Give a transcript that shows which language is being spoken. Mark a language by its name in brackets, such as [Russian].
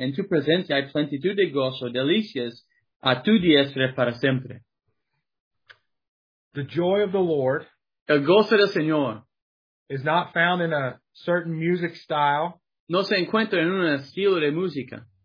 [Spanish] En tu presencia hay plenitud de gozo, delicias a tu diestra para siempre. [English] The joy of the Lord, [Spanish] el gozo del Señor, [English] is not found in a certain music style. [Spanish] No se encuentra en un estilo de música.